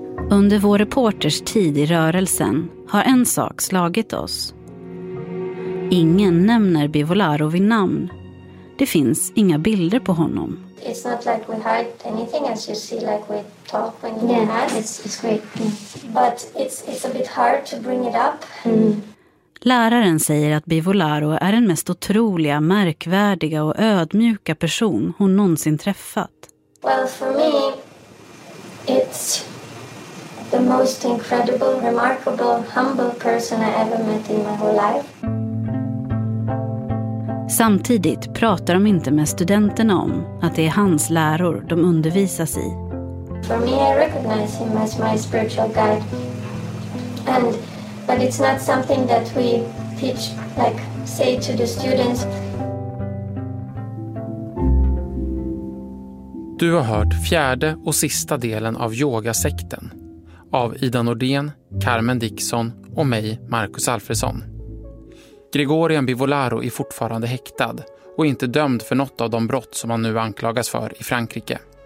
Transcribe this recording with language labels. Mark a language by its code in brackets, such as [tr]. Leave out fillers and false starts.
[sv] Under vår reporters tid i rörelsen har en sak slagit oss. Ingen nämner Bivolaro vid namn. Det finns inga bilder på honom. [en] It's not like we hide anything, as you see, like we talk when he has. It's great. Yeah. But it's a bit hard to bring it up. Mm. [sv] Läraren säger att Bivolaro är den mest otroliga, märkvärdiga och ödmjuka person hon någonsin träffat. [en] Well, for me, it's the most incredible, remarkable, humble person I ever met in my whole life. [sv] Samtidigt pratar de inte med studenterna om att det är hans läror de undervisas i. [en] For me, I recognize him as my spiritual guide. But it's not something that we teach, like, say to the students. [sv] Du har hört fjärde och sista delen av Yogasekten av Ida Nordén, Carmen Dixon och mig, Marcus Alfredsson. Gregorian Bivolaro är fortfarande häktad och inte dömd för något av de brott som han nu anklagas för i Frankrike.